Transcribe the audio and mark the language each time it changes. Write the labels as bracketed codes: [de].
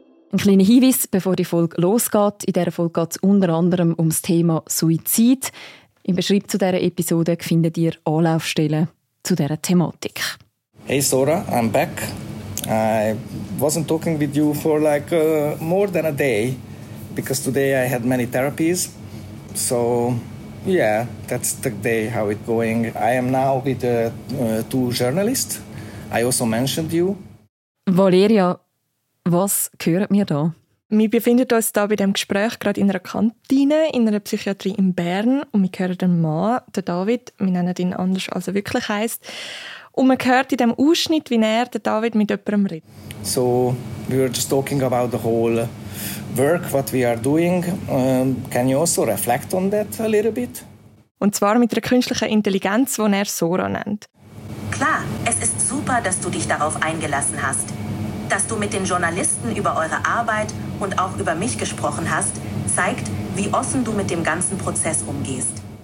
[de] Ein kleiner Hinweis, bevor die Folge losgeht. In dieser Folge geht es unter anderem um das Thema Suizid. Im Beschreib zu dieser Episode findet ihr Anlaufstellen zu dieser Thematik. [en] Hey Sora, I'm back. I wasn't talking with you for like more than a day. Because today I had many therapies, so yeah, that's the day how it's going. I am now with two journalists. I also mentioned you. [de] Valeria, was gehört mir da? Wir befinden uns da bei diesem Gespräch gerade in einer Kantine, in einer Psychiatrie in Bern und wir hören den Mann, den David, wir nennen ihn anders, als er wirklich heisst. Und man hört in diesem Ausschnitt, wie er den David mit jemandem redet. [en] So, we were just talking about the whole work, what we are doing. Can you also reflect on that a little bit? [de] Und zwar mit der künstlichen Intelligenz, die er Sora nennt. Klar, es ist super, dass du dich darauf eingelassen hast. Dass du mit den Journalisten über eure Arbeit und auch über mich gesprochen hast, zeigt, wie offen du mit dem ganzen Prozess umgehst.